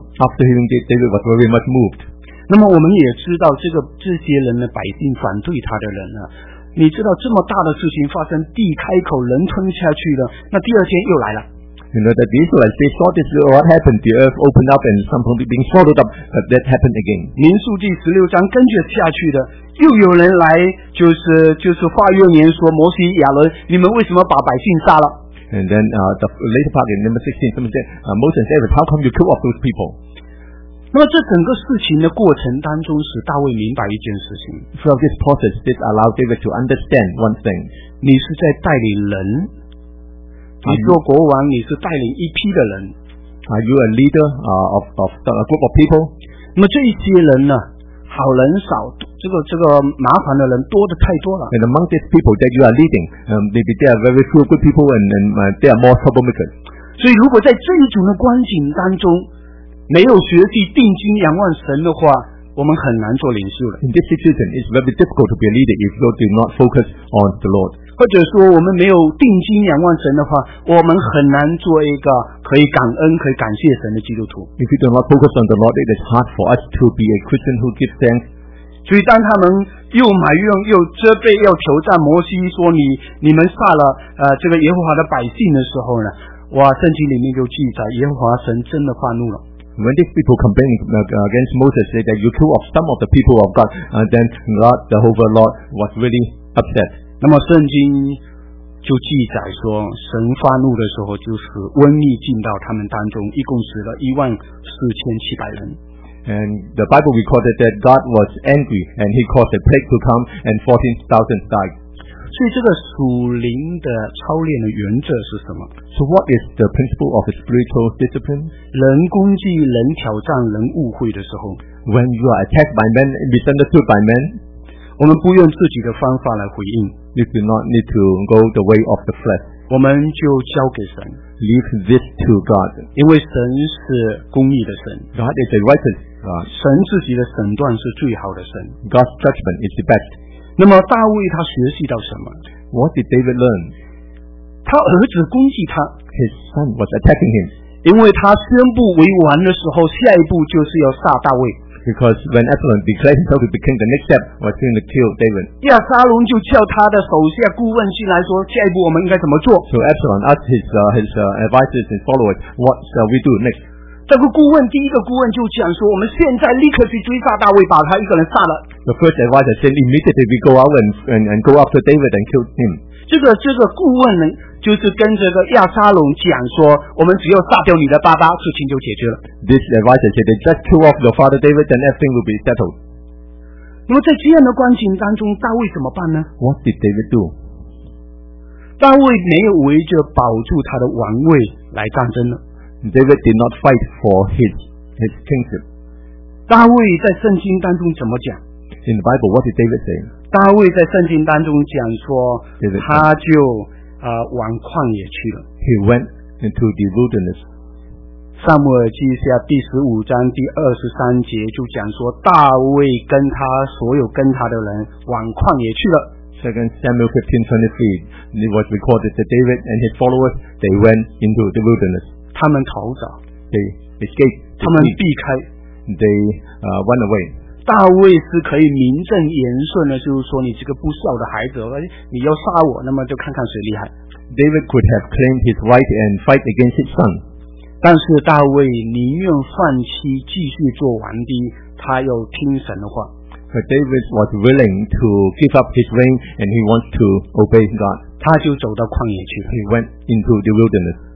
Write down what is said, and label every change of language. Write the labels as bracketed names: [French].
[English] After hearing this, David was very much moved. [Chinese] 那么我们也知道这些人的百姓反对他的人啊，你知道这么大的事情发生，地开口，人吞下去了，那第二天又来了。 [English] You know that the Israelites, they saw this what happened, the earth opened up and some people being swallowed up, but that happened again. [Chinese] 民数记十六章跟着下去的，又有人来就是发怨言说，摩西、亚伦，你们为什么把百姓杀了？ [English] And then the later part in number 16, someone said, Moses, David, how come you kill off those people? [Chinese] 那么这整个事情的过程当中，使大卫明白一件事情。 [English] Through this process, this allows David to understand one thing. [Chinese] 你是在带领人，你做国王，你是带领一批的人。 [English] Are you a leader of a group of people? [Chinese] 那么这一些人呢，好人少，这个麻烦的人多的太多了。 [English] And among these people that you are leading, maybe they are very few good people, and they are more troublemakers. [Chinese] 所以如果在这一种的光景当中，没有学习定睛仰望神的话，我们很难做领袖了。 [English] In this situation, it's very difficult to be a leader if you do not focus on the Lord. [Chinese] 或者说，我们没有定睛仰望神的话，我们很难做一个可以感恩、可以感谢神的基督徒。 [English] If you do not focus on the Lord, it is hard for us to be a Christian who gives thanks. [Chinese] 所以当他们又埋怨又责备又挑战摩西说你们杀了这个耶和华的百姓的时候呢，哇，圣经里面就记载耶和华神真的发怒了。 [English] When these people complain against Moses, say that you killed some of the people of God, then God, the whole Lord, was really upset. [Chinese] 那么圣经就记载说，神发怒的时候，就是瘟疫进到他们当中，一共死了14,700人。 [English] And the Bible recorded that God was angry, and He caused a plague to come, and 14,000 died. [Chinese] 所以这个属灵的操练的原则是什么？ [English] So what is the principle of spiritual discipline? [Chinese] 人攻击、人挑战、人误会的时候 [English] ，When you are attacked by men, misunderstood by men, [Chinese] 我们不用自己的方法来回应。 [English] You do not need to go the way of the flesh. [Chinese] 我们就交给神。 [English] leave this to God. [Chinese] 因为神是公义的神。 [English] God is a righteous God. [Chinese] 神自己的审断是最好的神。 [English] God's judgment is the best. [Chinese] 那么大卫他学习到什么？ [English] What did David learn? [Chinese] 他儿子攻击他。 [English] His son was attacking him. [Chinese] 因为他宣布为王的时候，下一步就是要杀大卫。 [English] Because when Absalom declared himself to be king, the next step was going to kill David. [Chinese] 亚撒龙就叫他的手下顾问进来说，下一步我们应该怎么做？ [English] So Absalom asked his advisors and followers, what shall we do next? [Chinese] 这个顾问，第一个顾问就讲说，我们现在立刻去追杀大卫，把他一个人杀了。 [English] The first advisor said, immediately we go out and go after David and kill him. [Chinese] 这个顾问就是跟这个亚撒龙讲说，我们只要杀掉你的爸爸，事情就解决了。 [English] This advisor said, just kill off your father David, then everything will be settled. [Chinese] 那么在这样的光景当中，大卫怎么办呢？ [English] What did David do? [Chinese] 大卫没有为着保住他的王位来战争了。 [English] David did not fight for his kingship. [Chinese] 大卫在圣经当中怎么讲？ [English] In the Bible, what did David say? [Chinese] 大卫在圣经当中讲说， [English] David, [Chinese] 他就往旷野去了。 [English] He went into the wilderness. [Chinese] 撒母耳记下第十五章第二十三节就讲说，大卫跟他所有跟他的人往旷野去了。 [English] Second Samuel 15:23, it was recorded that David and his followers they went into the wilderness. [Chinese] 他们逃走。 [English] They escaped. [Chinese] 他们避开。 [English] They went away. [Chinese] 大卫是可以名正言顺的，就是说你这个不孝的孩子，你要杀我，那么就看看谁厉害。 [English] David could have claimed his right and fight against his son. [Chinese] 但是大卫宁愿放弃继续做王帝，他要听神的话。 [English] But David was willing to give up his reign and he wants to obey God. [Chinese] 他就走到旷野去。 [English] He went into the wilderness.